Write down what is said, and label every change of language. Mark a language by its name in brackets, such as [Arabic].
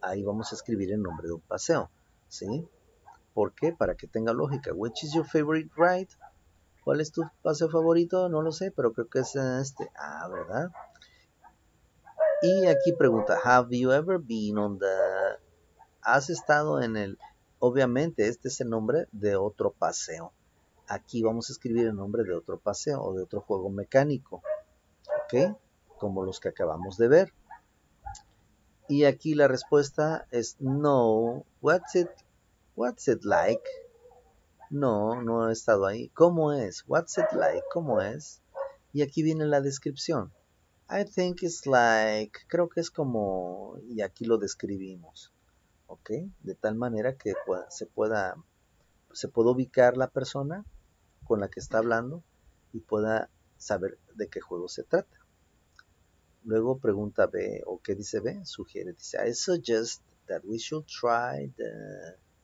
[Spanish] Ahí vamos a escribir el nombre de un paseo. ¿Sí? ¿Por qué? Para que tenga lógica. Which is your favorite ride? ¿Cuál es tu paseo favorito? No lo sé, pero creo que es este. Ah, ¿verdad? [English] Y aquí pregunta, have you ever been on the... [Spanish] ¿Has estado en el...? Obviamente, este es el nombre de otro paseo. Aquí vamos a escribir el nombre de otro paseo o de otro juego mecánico. ¿Ok? Como los que acabamos de ver. Y aquí la respuesta es no. What's it like? No, no he estado ahí. ¿Cómo es? What's it like? ¿Cómo es? Y aquí viene la descripción. I think it's like... Creo que es como... Y aquí lo describimos. ¿Ok? De tal manera que se pueda ubicar la persona con la que está hablando y pueda saber de qué juego se trata. Luego pregunta B, ¿o qué dice B? [English] Sugiere, dice, I suggest that we should try the...